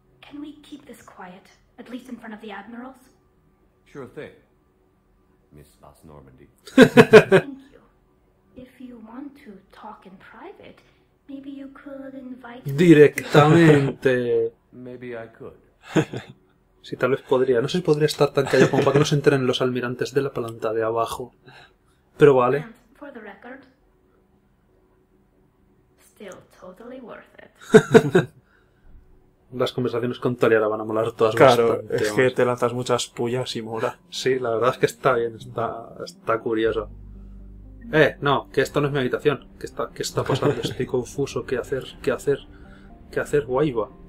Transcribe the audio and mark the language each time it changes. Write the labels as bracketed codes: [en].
[en] Can we keep this quiet, at least in front of the admirals? Sure thing. Miss Vas Normandy. Thank you. If you want to talk in private, maybe you could invite me. [es] Directamente. [en] Maybe I could. [es] Sí, tal vez podría. No sé si podría estar tan callado como para que no se enteren los almirantes de la planta de abajo. Pero vale. [en] And for the record, still totally worth it. [es] Las conversaciones con Tali la van a molar todas. Claro, bastante, es que te lanzas muchas pullas y mola. Sí, la verdad es que está bien, está curioso. No, que esto no es mi habitación. ¿Qué está pasando? Estoy confuso. ¿Qué hacer? Guay va.